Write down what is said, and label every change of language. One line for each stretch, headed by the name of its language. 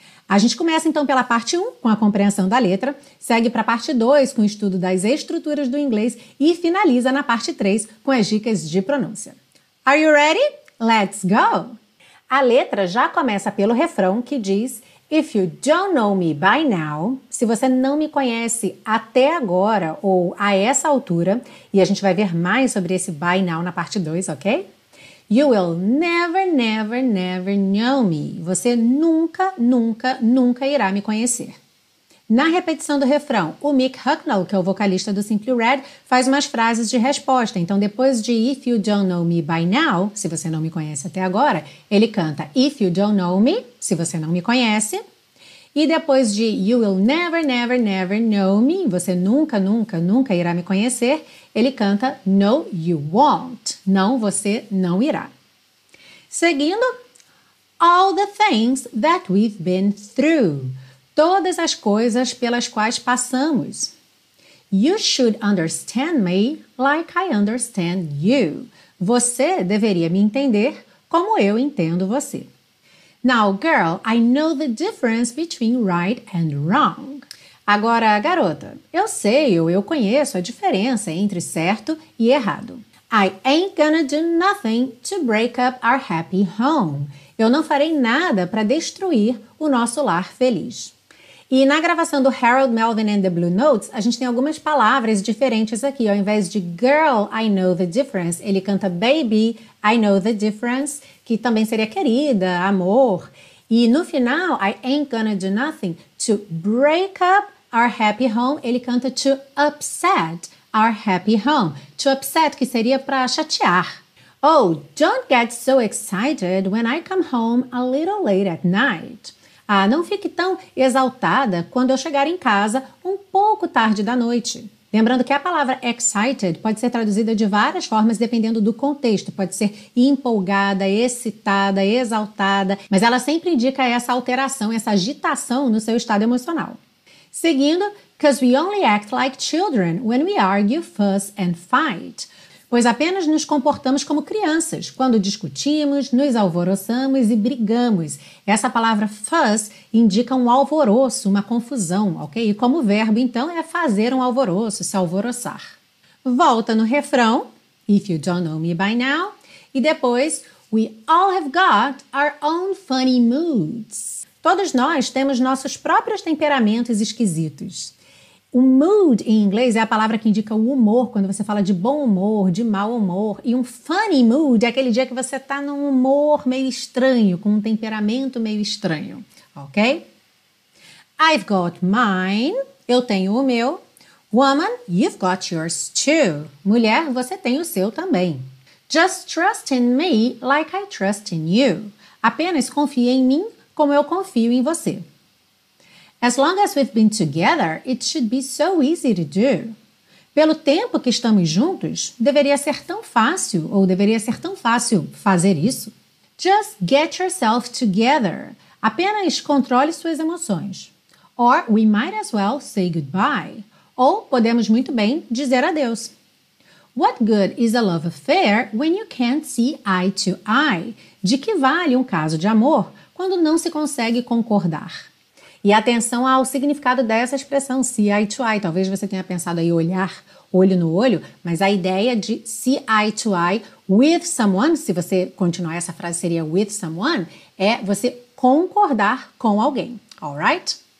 Portuguese: A gente começa então pela parte 1, com a compreensão da letra, segue para a parte 2, com o estudo das estruturas do inglês e finaliza na parte 3, com as dicas de pronúncia.
English: Are you ready? Let's go!
Portuguese: A letra já começa pelo refrão que diz
English: If you don't know me by now,
Portuguese: se você não me conhece até agora ou a essa altura, e a gente vai ver mais sobre esse by now na parte 2, ok?
English: You will never, never, never know me.
Portuguese: Você nunca, nunca, nunca irá me conhecer. Na repetição do refrão, o Mick Hucknall, que é o vocalista do Simply Red, faz umas frases de resposta. Então, depois de
English: If you don't know me by now,
Portuguese: se você não me conhece até agora, ele canta
English: If you don't know me,
Portuguese: se você não me conhece. E depois de
English: You will never, never, never know me,
Portuguese: você nunca, nunca, nunca irá me conhecer, ele canta
English: No, you won't.
Portuguese: Não, você não irá. Seguindo,
English: All the things that we've been through.
Portuguese: Todas as coisas pelas quais passamos.
English: You should understand me like I understand you.
Portuguese: Você deveria me entender como eu entendo você.
English: Now, girl, I know the difference between right and wrong.
Portuguese: Agora, garota, eu sei ou eu conheço a diferença entre certo e errado.
English: I ain't gonna do nothing to break up our happy home.
Portuguese: Eu não farei nada para destruir o nosso lar feliz. E na gravação do Harold Melvin and the Blue Notes, a gente tem algumas palavras diferentes aqui. Ao invés de
English: girl, I know the difference,
Portuguese: ele canta
English: baby, I know the difference,
Portuguese: que também seria querida, amor. E no final,
English: I ain't gonna do nothing to break up our happy home,
Portuguese: ele canta
English: to upset our happy home. To upset,
Portuguese: que seria para chatear.
English: Oh, don't get so excited when I come home a little late at night.
Portuguese: Ah, não fique tão exaltada quando eu chegar em casa um pouco tarde da noite. Lembrando que a palavra excited pode ser traduzida de várias formas dependendo do contexto. Pode ser empolgada, excitada, exaltada, mas ela sempre indica essa alteração, essa agitação no seu estado emocional. Seguindo,
English: 'cause we only act like children when we argue, fuss and fight.
Portuguese: Pois apenas nos comportamos como crianças, quando discutimos, nos alvoroçamos e brigamos. Essa palavra fuss indica um alvoroço, uma confusão, ok? E como verbo, então, é fazer um alvoroço, se alvoroçar. Volta no refrão,
English: if you don't know me by now,
Portuguese: e depois,
English: we all have got our own funny moods.
Portuguese: Todos nós temos nossos próprios temperamentos esquisitos. O mood em inglês é a palavra que indica o humor, quando você fala de bom humor, de mau humor. E um funny mood é aquele dia que você está num humor meio estranho, com um temperamento meio estranho, ok?
English: I've got mine,
Portuguese: eu tenho o meu.
English: Woman, you've got yours too.
Portuguese: Mulher, você tem o seu também.
English: Just trust in me like I trust in you.
Portuguese: Apenas confie em mim como eu confio em você.
English: As long as we've been together, it should be so easy to do.
Portuguese: Pelo tempo que estamos juntos, deveria ser tão fácil ou deveria ser tão fácil fazer isso.
English: Just get yourself together.
Portuguese: Apenas controle suas emoções.
English: Or we might as well say goodbye.
Portuguese: Ou podemos muito bem dizer adeus.
English: What good is a love affair when you can't see eye to eye?
Portuguese: De que vale um caso de amor quando não se consegue concordar? E atenção ao significado dessa expressão, see eye to eye. Talvez você tenha pensado aí olhar olho no olho, mas a ideia de
English: see eye to eye with someone,
Portuguese: se você continuar essa frase seria with someone, é você concordar com alguém, alright?